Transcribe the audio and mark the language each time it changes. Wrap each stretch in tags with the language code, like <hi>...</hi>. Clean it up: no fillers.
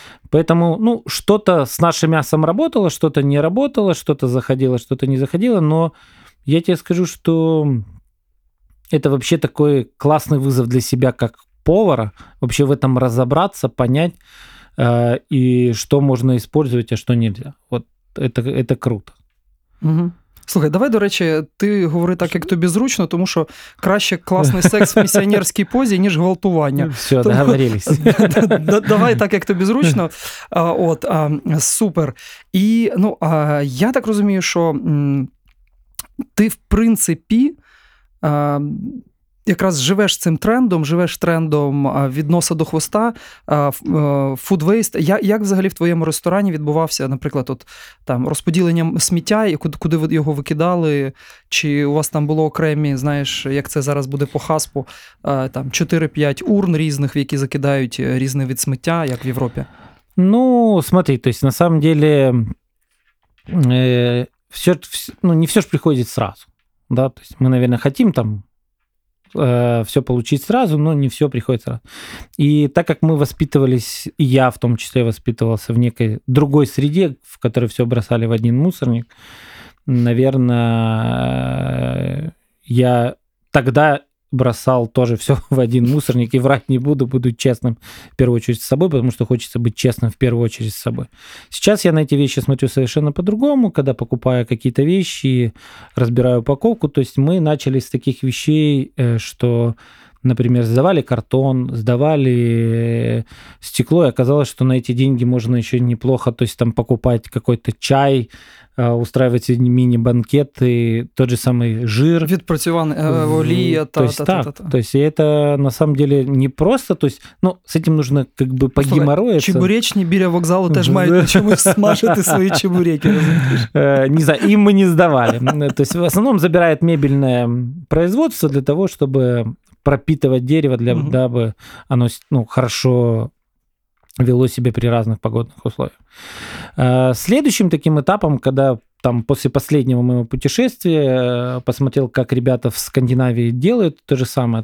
<ru>Поэтому, что-то с нашим мясом работало, что-то не работало, что-то заходило, что-то не заходило, но я тебе скажу, что это вообще такой классный вызов для себя, как повара, вообще в этом разобраться, понять, и что можно использовать, а что нельзя. Это круто. Угу.</ru> <uk>Слухай, давай, до речі, ти говори так, як тобі зручно, тому що краще класний секс в місіонерській позі, ніж гвалтування.</uk> <ru>Все, договорились.</ru> <uk>Давай так, як тобі зручно. Супер. І, я так розумію, що ти, в принципі, якраз живеш цим трендом, від носа до хвоста, food waste. Як взагалі в твоєму ресторані відбувався, наприклад, розподілення сміття, і куди ви його викидали, чи у вас там було окремі, знаєш, як це зараз буде по хаспу, 4-5 урн різних, в які закидають різний від сміття, як в Європі?</uk> <ru>Смотри, на самом деле, не все ж приходить сразу. Да?</ru> <uk>Ми, мабуть, хочемо</uk> <ru>там все получить сразу, но не все приходит сразу. И так как мы воспитывались, и я в том числе воспитывался в некой другой среде, в которой все бросали в один мусорник, наверное, я тогда бросал тоже все в один мусорник, и врать не буду, буду честным в первую очередь с собой, потому что хочется быть честным в первую очередь с собой. Сейчас я на эти вещи смотрю совершенно по-другому, когда покупаю какие-то вещи, разбираю упаковку, мы начали с таких вещей, что, например, сдавали картон, сдавали стекло, и оказалось, что на эти деньги можно еще неплохо, покупать какой-то чай, устраивать мини-банкеты, тот же самый жир.</ru> <uk>Відпрацьований олія.</uk> <ru>Это на самом деле не просто. С этим нужно погеморроиться.</ru> <uk>Чебуречні біля вокзалу теж мають на чомусь смажити свої чебуреки.</uk> <ru>Не знаю, им мы не сдавали. В основном забирает мебельное производство для того, чтобы пропитывать дерево, дабы оно хорошо вело себя при разных погодных условиях. Следующим таким этапом, когда там после последнего моего путешествия посмотрел, как ребята в Скандинавии делают то же самое.</ru>